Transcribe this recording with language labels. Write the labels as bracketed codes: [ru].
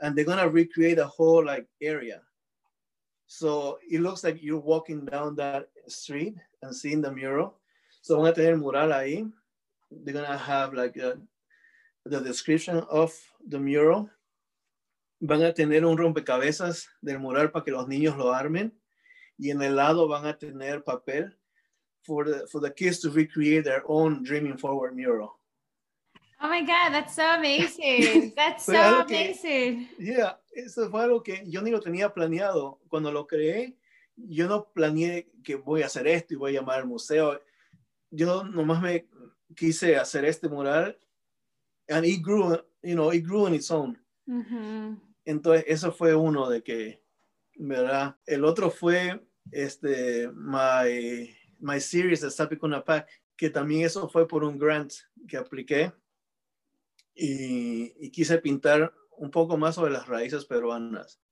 [en] And they're going to recreate a whole like area. So it looks like you're walking down that street and seeing the mural. [es] So van a tener el mural ahí. [en] They're going to have like the description of the mural. [es] Van a tener un rompecabezas del mural para que los niños lo armen. Y en el lado van a tener papel [en] for the kids to recreate their own Dreaming Forward mural. Oh my God, that's so amazing. That's [es] Fue [en] so [es] algo que, [en] amazing. [es] eso fue algo que yo ni lo tenía planeado. Cuando lo creé, yo no planeé que voy a hacer esto y voy a llamar al museo. Yo nomás me quise hacer este mural, [en] and it grew, you know, it grew on its own. [es] Entonces, eso fue uno de que, ¿verdad? El otro fue [en] my series [es] de Sapikuna Pack, que también eso fue por un grant que apliqué. Y quise pintar un poco más sobre las raíces peruanas.